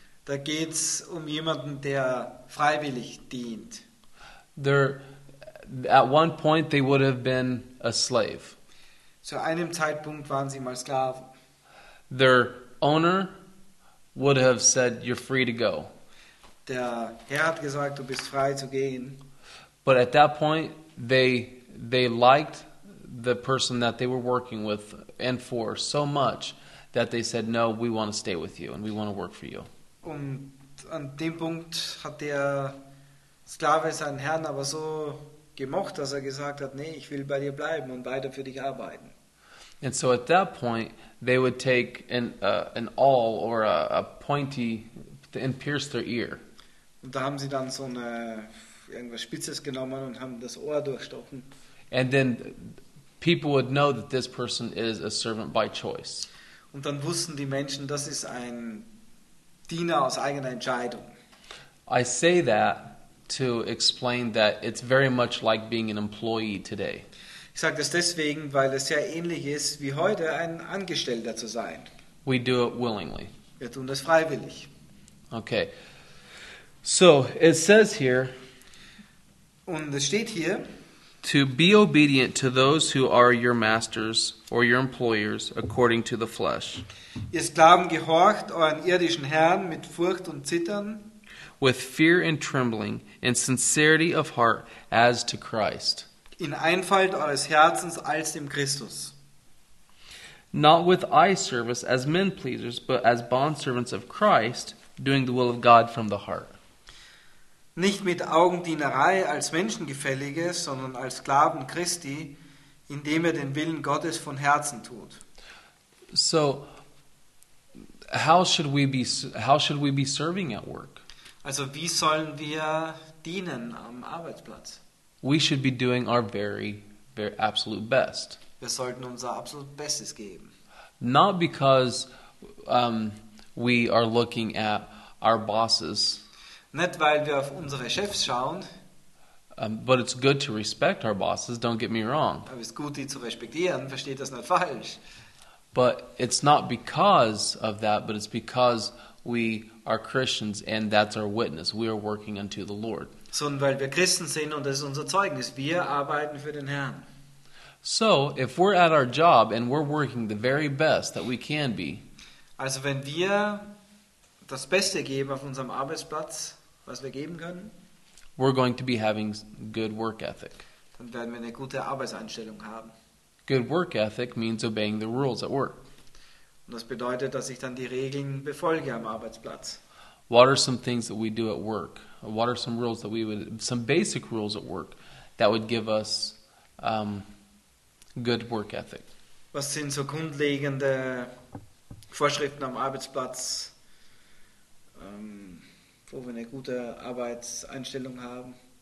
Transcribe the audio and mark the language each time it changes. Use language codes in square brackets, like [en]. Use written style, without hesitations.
[de] Da geht's um jemanden, der freiwillig dient. [en] There, at one point they would have been a slave. [de] Zu einem Zeitpunkt waren sie mal Sklaven. [en] Their owner would have said, "You're free to go." [de] Der Herr hat gesagt, du bist frei zu gehen. [en] But at that point, they liked the person that they were working with and for so much that they said, "No, we want to stay with you and we want to work for you." [de] Und an dem Punkt hat der Sklave seinen Herrn aber so gemocht, dass er gesagt hat, nee, ich will bei dir bleiben und weiter für dich arbeiten. [en] And so at that point, they would take an awl or a pointy and pierce their ear. [de] Und da haben sie dann so eine irgendwas Spitzes genommen und haben das Ohr durchstochen. [en] And then people would know that this person is a servant by choice. [de] Und dann wussten die Menschen, das ist ein Diener aus eigener Entscheidung. [en] I say that to explain that it's very much like being an employee today. [de] Ich sage das deswegen, weil es sehr ähnlich ist wie heute ein Angestellter zu sein. [en] We do it willingly. [de] Wir tun das freiwillig. [en] Okay. So it says here. [de] Und es steht hier. [en] To be obedient to those who are your masters or your employers according to the flesh. [de] Ihr Sklaven gehorcht euren irdischen Herrn mit Furcht und Zittern. [en] With fear and trembling and sincerity of heart as to Christ. [de] In Einfalt eures Herzens als dem Christus. [en] Not with eye service as men pleasers, but as bondservants of Christ, doing the will of God from the heart. [de] Nicht mit Augendienerei als Menschengefällige, sondern als Sklaven Christi, indem er den Willen Gottes von Herzen tut. [en] So, how should we be serving at work? [de] Also, wie sollen wir dienen am Arbeitsplatz? [en] We should be doing our very, very absolute best. [de] Wir sollten unser absolut Bestes geben. [en] Not because we are looking at our bosses. [de] Nicht weil wir auf unsere Chefs schauen. [en] But it's good to respect our bosses, don't get me wrong. [de] Aber es ist gut, die zu respektieren, versteht das nicht falsch. [en] But it's not because of that, but it's because we are Christians and that's our witness. We are working unto the Lord. [de] Sondern weil wir Christen sind und das ist unser Zeugnis. Wir arbeiten für den Herrn. [en] So, if we're at our job and we're working the very best that we can be. [de] Also wenn wir das Beste geben auf unserem Arbeitsplatz, was wir geben können, [en] we're going to be having good work ethic. [de] Dann werden wir eine gute Arbeitseinstellung haben. [en] Good work ethic means obeying the rules at work. [de] Und das bedeutet, dass ich dann die Regeln befolge am Arbeitsplatz. [en] What are some things that we do at work? What are some rules that we would, some basic rules at work that would give us good work ethic? [de] Was sind so grundlegende Vorschriften am Arbeitsplatz, wo wir eine gute Arbeitseinstellung haben?